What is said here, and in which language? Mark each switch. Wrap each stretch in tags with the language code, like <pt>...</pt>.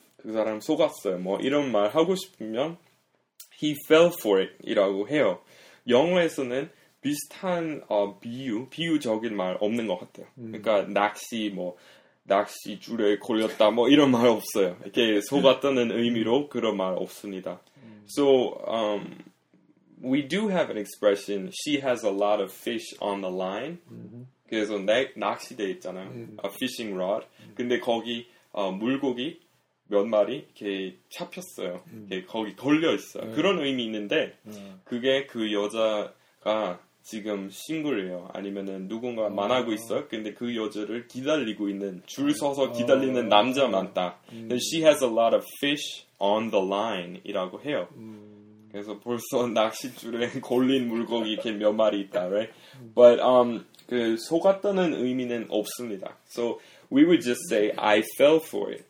<ko>그 사람 속았어요. 뭐 이런 말 하고 싶으면</ko> <en>He fell for it</en> <ko>이라고 해요. 영어에서는 비슷한 비유적인 말 없는 것 같아요. 그러니까 낚시 줄에 걸렸다 뭐 이런 말 없어요. 이렇게 속았다는 의미로 그런 말 없습니다.</ko> <en>So we do have an expression. She has a lot of fish on the line.</en> <ko>그래서 낚시대 있잖아요.</ko> <en>A fishing rod.</en> <ko>근데 거기 물고기 몇 마리 이렇게 잡혔어요. 이렇게 거기 걸려 있어요. 그런 의미 있는데 그게 그 여자가 지금 싱글이에요. 아니면은 누군가 만나고 있어요. 근데 그 여자를 기다리고 있는 줄 서서 기다리는 남자 많다.</ko> <en>She has a lot of fish on the line이라고 해요.</en> <ko>그래서 벌써 낚싯줄에 걸린 물고기 이렇게 몇 마리 있다, right? But 그 속았다는 의미는 없습니다.</ko> <en>So we would just say I fell for it.</en>